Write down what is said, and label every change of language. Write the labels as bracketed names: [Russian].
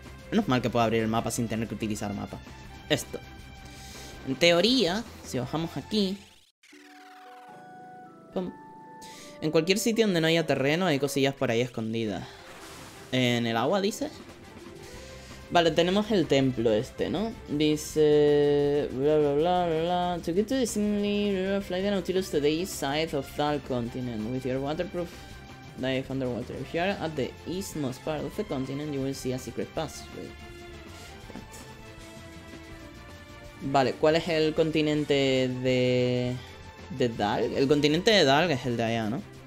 [Spanish] Menos mal que puedo abrir el mapa sin tener que utilizar mapa. Esto. En teoría, si bajamos aquí... pum. En cualquier sitio donde no haya terreno hay cosillas por ahí escondidas. ¿En el agua, dice? Vale, tenemos el templo este, ¿no? Dice... bla, bla, bla, bla... [English] to get to the similar fly the Nautilus to the east side of that continent with your waterproof dive underwater. If you are at the eastmost part of the continent, you will see a secret passage. [Spanish] Vale, ¿cuál es el continente de Dalg? El continente de Dalg es el de allá, ¿no?